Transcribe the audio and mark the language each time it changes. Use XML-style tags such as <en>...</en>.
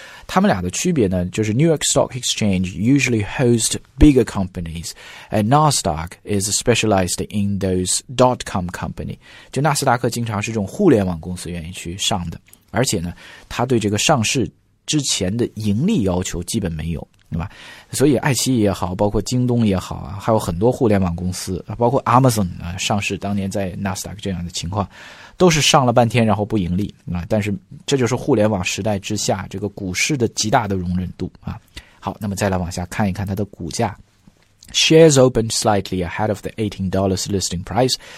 <zh>他们俩的区别呢，就是</zh> <en>New York Stock Exchange usually hosts bigger companies, and Nasdaq is specialized in those dot-com company.</en> <zh>就纳斯达克经常是这种互联网公司愿意去上的，而且呢，他对这个上市之前的盈利要求基本没有。对吧？所以爱奇艺也好，包括京东也好啊，还有很多互联网公司，包括 Amazon 啊，上市当年在 Nasdaq 这样的情况，都是上了半天然后不盈利啊。但是这就是互联网时代之下这个股市的极大的容忍度啊。好，那么再来往下看一看它的股价。</zh> <en>Shares opened slightly ahead of the $18 listing price.</en>